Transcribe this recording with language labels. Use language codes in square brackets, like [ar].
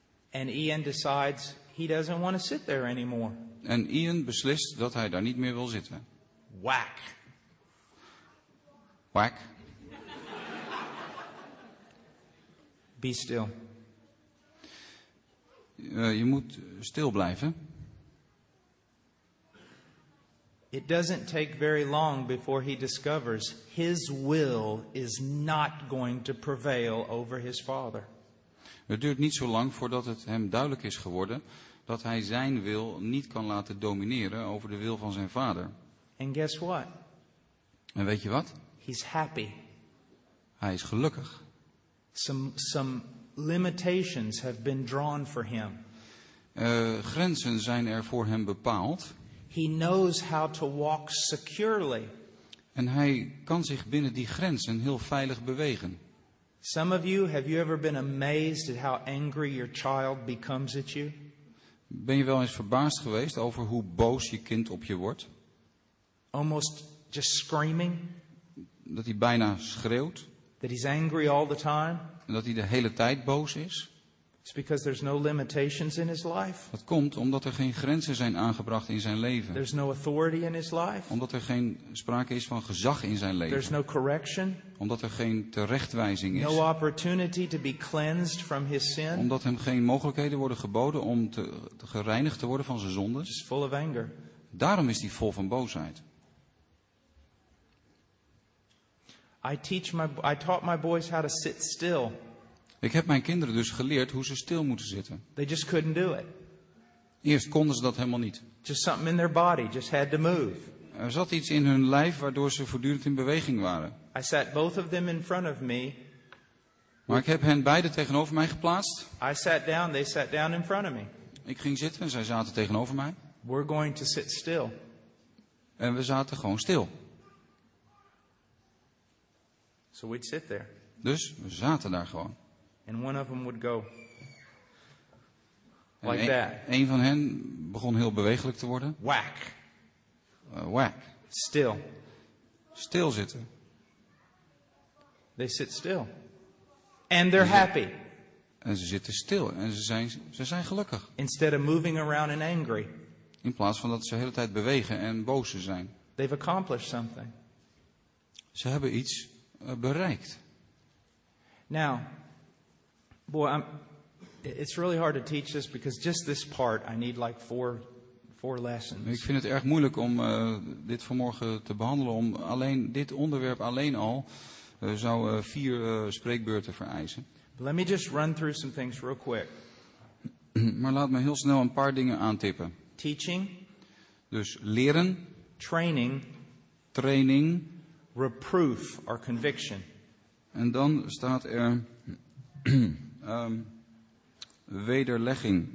[en] And Ian decides he doesn't want to sit there anymore. [nl] En Ian beslist dat hij daar niet meer wil zitten. Whack. Whack. [en] Be still. [nl] Je moet stil blijven. [en] It doesn't take very long before he discovers his will is not going to prevail over his father. [nl] Het duurt niet zo lang voordat het hem duidelijk is geworden dat hij zijn wil niet kan laten domineren over de wil van zijn vader. [en] And guess what? [nl] En weet je wat? [en] He's happy. [nl] Hij is gelukkig. [en] Some limitations have been drawn for him. [nl] Grenzen zijn er voor hem bepaald. [en] He knows how to walk securely. [nl] En hij kan zich binnen die grenzen heel veilig bewegen. [en] Some of you, have you ever been amazed at how angry your child becomes at you? [nl] Ben je wel eens verbaasd geweest over hoe boos je kind op je wordt? [en] Almost just screaming. [nl] Dat hij bijna schreeuwt. [en] That he's angry all the time. [nl] En dat hij de hele tijd boos is. [en] It's because there's no limitations in his life. [nl] Dat komt omdat er geen grenzen zijn aangebracht in zijn leven. [en] There's no authority in his life. [nl] Omdat er geen sprake is van gezag in zijn leven. [en] There's no correction. [nl] Omdat er geen terechtwijzing is. [en] No opportunity to be cleansed from his sin. [nl] Omdat hem geen mogelijkheden worden geboden om te gereinigd te worden van zijn zonden. [en] He's full of anger. [nl] Daarom is hij vol van boosheid. [en] I taught my boys how to sit still. [nl] Ik heb mijn kinderen dus geleerd hoe ze stil moeten zitten. [en] They just couldn't do it. [nl] Eerst konden ze dat helemaal niet. [en] Just something in their body just had to move. [nl] Er zat iets in hun lijf waardoor ze voortdurend in beweging waren. [en] I sat both of them in front of me. [nl] Maar ik heb hen beide tegenover mij geplaatst. [en] I sat down, they sat down in front of me. [nl] Ik ging zitten en zij zaten tegenover mij. [en] We're going to sit still. [nl] En we zaten gewoon stil. [en] So we'd sit there. [nl] Dus we zaten daar gewoon. [en] And one of them would go like that. [nl] Een van hen begon heel bewegelijk te worden. Whack. Whack. [en] Still. [nl] Stil zitten. [en] They sit still. And they're happy. [nl] En ze zitten stil en ze zijn gelukkig. [en] Instead of moving around and angry. [nl] In plaats van dat ze de hele tijd bewegen en boos zijn. [en] They've accomplished something. [nl] Ze hebben iets bereikt. [en] Now, boy, it's really hard to teach this because just this part, I need like four lessons. [nl] Ik vind het erg moeilijk om dit vanmorgen te behandelen, om alleen dit onderwerp alleen al zou vier spreekbeurten vereisen. [en] But let me just run through some things real quick. [nl] Maar laat me heel snel een paar dingen aantippen. [en] Teaching. [nl] Dus leren. [en] Training. [nl] Training. [en] Reproof or conviction. [nl] En dan staat er wederlegging.